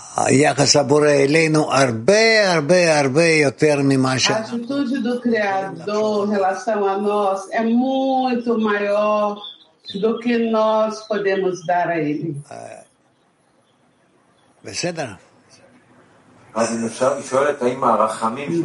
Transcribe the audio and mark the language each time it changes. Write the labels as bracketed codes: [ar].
[he] יחס הבורא אלינו הרבה הרבה הרבה יותר ממה ש... [pt] Atitude do Criador em relação a nós é muito maior do que nós podemos dar a ele. [he] בסדר? אז אם אפשר, היא שואלת, האם הרחמים...